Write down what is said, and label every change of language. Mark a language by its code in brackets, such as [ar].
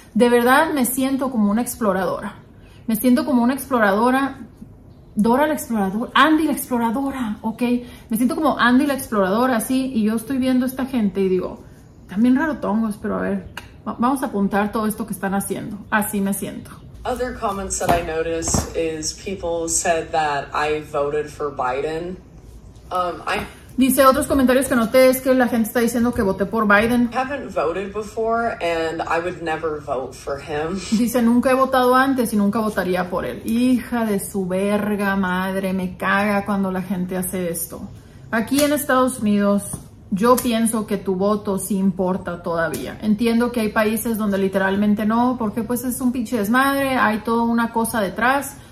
[es] De verdad me siento como una exploradora. Me siento como una exploradora Dora la exploradora, Andy la exploradora, ok. Me siento como Andy la exploradora, así. Y yo estoy viendo a esta gente y digo, también raro tongos, pero a ver, vamos a apuntar todo esto que están haciendo. Así me siento. [en] Other comments that I noticed is people said that I voted for Biden. [es] Dice otros comentarios que noté es que la gente está diciendo que voté por Biden. [en] I haven't voted before and I would never vote for him. [es] Dice nunca he votado antes y nunca votaría por él. Hija de su verga madre, me caga cuando la gente hace esto. Aquí en Estados Unidos yo pienso que tu voto sí importa todavía. Entiendo que hay países donde literalmente no, porque pues es un pinche desmadre, hay toda una cosa detrás.